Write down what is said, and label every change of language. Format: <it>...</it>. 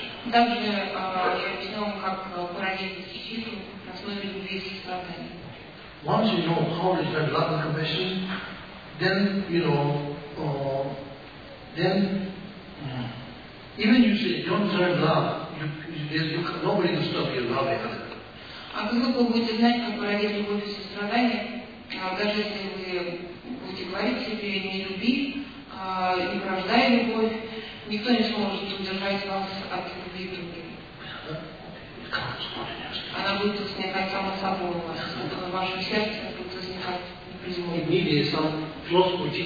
<ru>Также я объясню вам, как породить чистоту на основе любви и сострадания.</ru> <en>Once you know how to have love and compassion, then you know, then even you say you don't deserve love, nobody can stop you loving other.</en> <ru>А когда вы будете знать, как породить любовь и сострадание, даже если вы будете говорить себе не люби, не порождая любовь, никто не сможет удержать вас от любви другим. Она будет возникать само собой у вас. В вашем сердце будет возникать</ru>